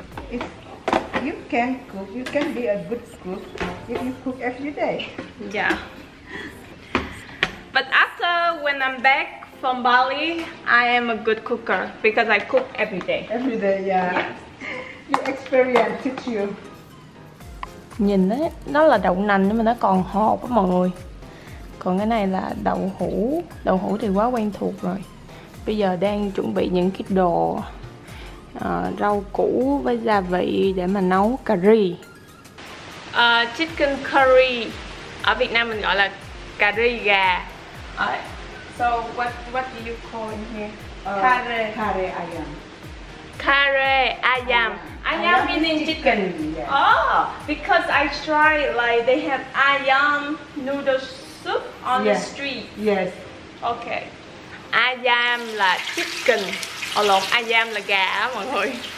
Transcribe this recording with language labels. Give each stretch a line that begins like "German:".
English: If you can cook, you can be a good cook if you cook every day. Yeah. But after when I'm back from Bali, I am a good cooker because I cook every day. Every day, yeah. Yes. Your experience teach you.
Vietnamese: Nhìn ấy, nó là đậu nành nhưng mà nó còn hộp á mọi người. Còn cái này là đậu hũ. Đậu hũ thì quá quen thuộc rồi. Bây giờ đang chuẩn bị những cái đồ rau củ với gia vị để mà nấu curry.
English: Chicken curry.
Vietnamese: Ở Việt Nam mình gọi là curry gà.
English: So what do you call in here?
Malay: Curry ayam.
English: Curry ayam. Ayam meaning chicken. Yeah. Oh, because I try like they have ayam noodle soup on the street. Yes.
Vietnamese: Okay. Ayam là chicken. Oh, lộn, ayam là gà á mọi người.